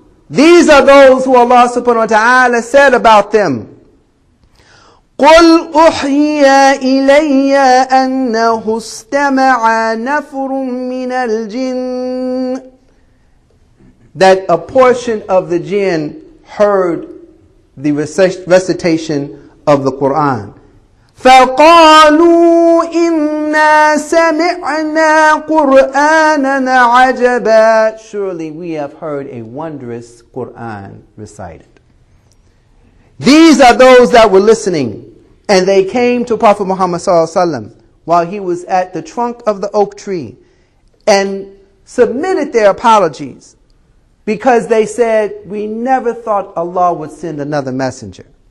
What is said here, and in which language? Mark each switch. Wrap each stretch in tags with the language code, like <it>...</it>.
<en>These are those who Allah subhanahu wa ta'ala said about them,</en> <ar>قُلْ أُحْيَا إِلَيَّ أَنَّهُ اسْتَمَعَ نَفْرٌ مِّنَ الْجِنِّ.</ar> <en>That a portion of the jinn heard the recitation of the Qur'an.</en> <ar>فقالوا إنا سمعنا قرآننا عجبا.</ar> <en>Surely we have heard a wondrous Quran recited. These are those that were listening, and they came to Prophet Muhammad sallallahu alaihi wasallam while he was at the trunk of the oak tree, and submitted their apologies, because they said, we never thought Allah would send another messenger.</en>